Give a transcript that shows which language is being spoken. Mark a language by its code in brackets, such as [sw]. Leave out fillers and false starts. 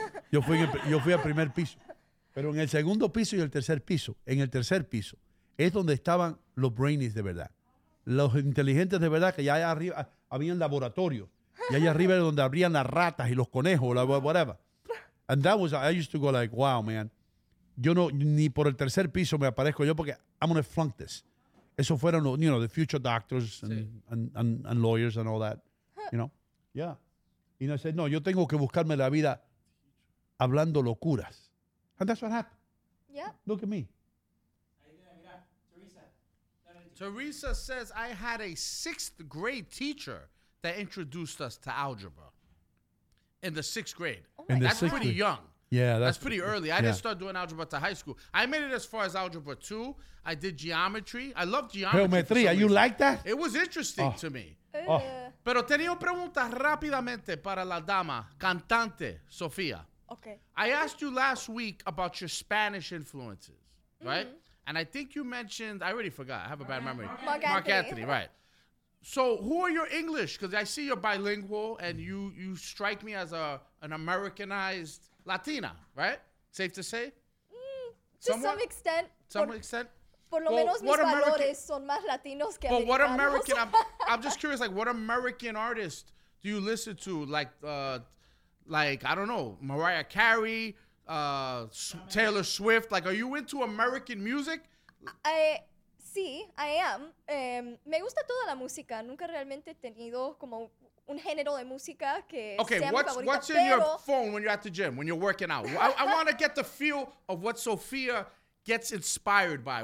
[es] Yo fui al primer piso. Pero en el segundo piso y el tercer piso, es donde estaban los brainies de verdad. Los inteligentes de verdad, que ya allá arriba había laboratorios. Y allá arriba era donde abrían las ratas y los conejos, whatever. [en] And that was, I used to go like, wow, man. [es] Yo no, ni por el tercer piso me aparezco yo porque [en] I'm going to flunk this. [es] Esos fueron los, [en] you know, the future doctors and lawyers and all that. You know? Yeah. [es] Y no sé, no, yo tengo que buscarme la vida hablando locuras. [en] And that's what happened. Yeah. Look at me. Teresa says, I had a sixth grade teacher that introduced us to algebra in the sixth grade. Oh my that's pretty young. Yeah, that's pretty early. I didn't start doing algebra to high school. I made it as far as algebra 2. I did geometry. I loved geometry. Geometry, you like that? It was interesting to me. [es] Pero tenía preguntas rápidamente para la dama, cantante, Sofía. [en] Okay. I asked you last week about your Spanish influences, right? Mm-hmm. And I think you mentioned, I already forgot. I have a bad memory. Mark Anthony, right. So who are your English? Because I see you're bilingual and you strike me as an Americanized Latina, right? Safe to say? To some extent. [es] Por lo menos mis valores son más latinos que americanos. [en] But what American, I'm just curious, like, what American artist do you listen to? Like I don't know, Mariah Carey, Taylor Swift. Like, are you into American music? [es] Sí, [en] I am. [es] Me gusta toda la música. Nunca realmente he tenido como un género de música que [en] okay, [es] sea [en] what's, [es] mi favorita, [en] what's in your phone when you're at the gym, when you're working out? I want to get the feel of what Sofía gets inspired by.